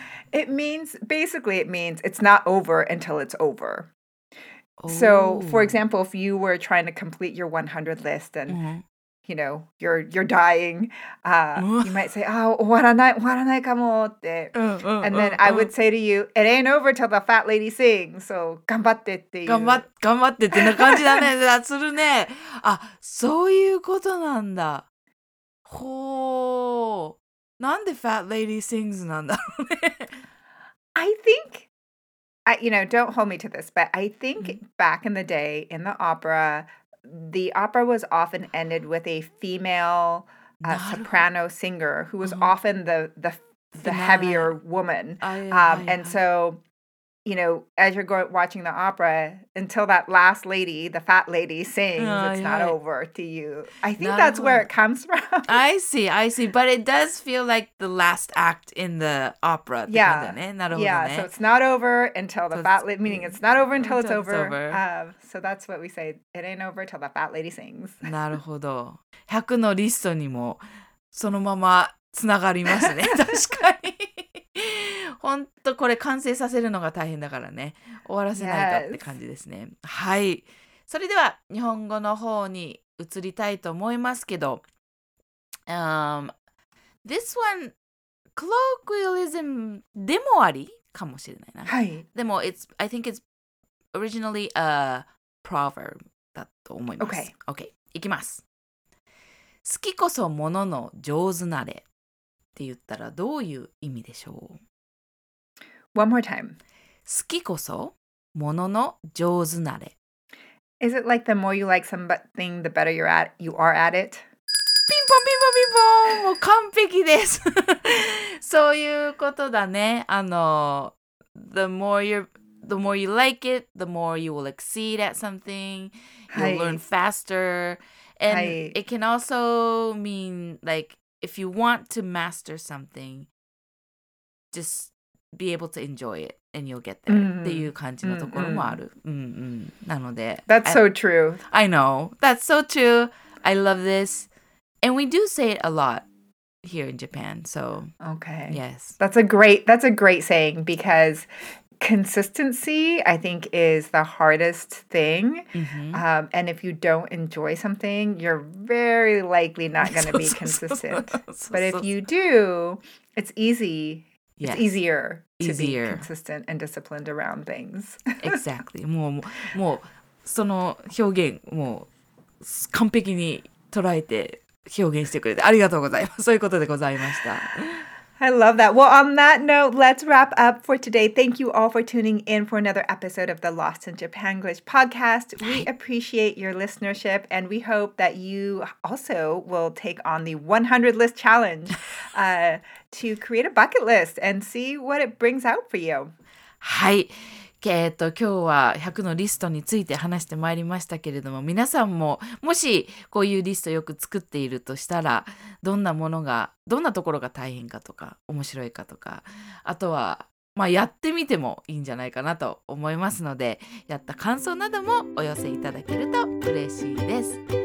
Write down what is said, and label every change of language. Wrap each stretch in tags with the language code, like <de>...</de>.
<en>It means, basically it means it's not over until it's over. So, for example, if you were trying to complete your 100 list and, you know, you're dying, you might say, oh,</en> <ja>終わらないかもって。</ja> <en>And then I would say to you, it ain't over till the fat lady sings.</en> <ja>So, 頑張ってっていう。頑張ってっていう感じだね。だするね。あ、そういうことなんだ。ほー。なんで</ja> <en>fat lady sings</en> <ja>なんだろうね。</ja> <en>I think... you know, don't hold me to this, but I think back in the day in the opera was often ended with a female soprano singer who was often the heavier woman. And so, you know, as you're watching the opera, until that last lady, the fat lady sings, it's not over to you. I think that's where it comes from. I see. But it does feel like the last act in the opera. Yeah. So it's not over until the fat lady, meaning it's not over until it's over. So that's what we say. It ain't over till the fat lady sings.</en> <ja>なるほど。 100のリストにもそのままつながりますね。確かに。本当これ完成させるのが大変だからね。終わらせないとって感じですね。</ja> <en>Yes.</en> <ja>はい。それでは日本語の方に移りたいと思いますけど、</ja> <en>This one colloquialism</en> <ja>でもありかもしれないな。はい。でも</ja> <en>I think it's originally a proverb</en> <ja>だと思います。</ja> <en>Okay. Okay.</en> <ja>いきます。好きこそものの上手なれって言ったらどういう意味でしょう。</ja> <en>One more time.</en> <ja>好きこそものの上手なれ。</ja> <en>Is it like the more you like something, the better you're at, you are at it?</en> <ja>ピンポンピンポンピンポン、もう完璧です。そういうことだね。</ja> <en>The more you like it, the more you will exceed at something. You'll learn faster. And it can also mean like if you want to master something, just... be able to enjoy it and you'll get there、mm-hmm.</en> <ja>っていう感じのところもある、mm-hmm. なので</ja> <en>That's so true. I know. That's so true. I love this. And we do say it a lot here in Japan. So, okay. Yes. That's a great saying because consistency, I think, is the hardest thing.、Mm-hmm. And if you don't enjoy something, you're very likely not going to be consistent. But if you do, it's easy. It's easier to be consistent and disciplined around things. Exactly.</en> <ja>もうその表現もう完璧に捉えて表現してくれてありがとうございます。そういうことでございました。</ja> <en>I love that. Well, on that note, let's wrap up for today. Thank you all for tuning in for another episode of the Lost in Japanglish podcast. We appreciate your listenership, and we hope that you also will take on the 100 list challenge to create a bucket list and see what it brings out for you.</en> <ja>はい。今日は100のリストについて話してまいりましたけれども、皆さんももしこういうリストよく作っているとしたら、どんなところが大変かとか、面白いかとか、あとは、まあ、やってみてもいいんじゃないかなと思いますので、やった感想などもお寄せいただけると嬉しいです。</ja>